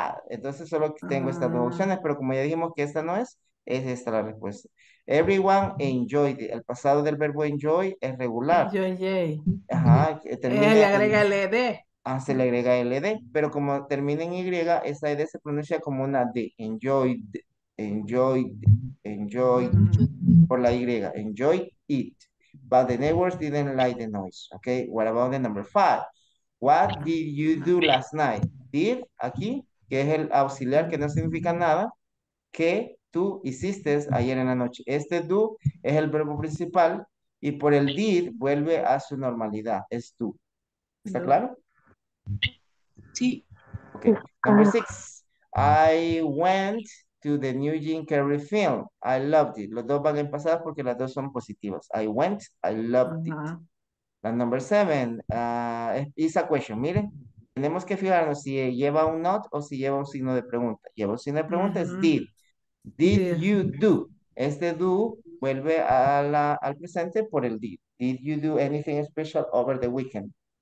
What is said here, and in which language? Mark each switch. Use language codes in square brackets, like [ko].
[es] Entonces solo tengo estas dos opciones, pero como ya dijimos que esta no es esta la respuesta. [en] Everyone enjoyed it. [es] El pasado del verbo enjoy es regular. Ajá, termina le agrega el ed. Se le agrega el ed, pero como termina en y, esa ed se pronuncia como una d. Enjoyed por la y. [en] Enjoy it, but the neighbors didn't like the noise. Okay, what about the number five? What did you do last night? [es] Did, aquí, que es el auxiliar que no significa nada, que tú hiciste ayer en la noche. Este do es el verbo principal y por el did vuelve a su normalidad, es tú. ¿Está claro? Sí. [en] Ok. Number six. I went to the new Jim Carrey film. I loved it. [es] Los dos van en pasado porque las dos son positivas. [en] I went, I loved it. La number seven is a question. [es] Miren, tenemos que fijarnos si lleva un not o si lleva un signo de pregunta. Lleva un signo de pregunta, es did. [en] Did you do? [es] Este do vuelve al presente por el did. [en] Did you do anything special over the weekend?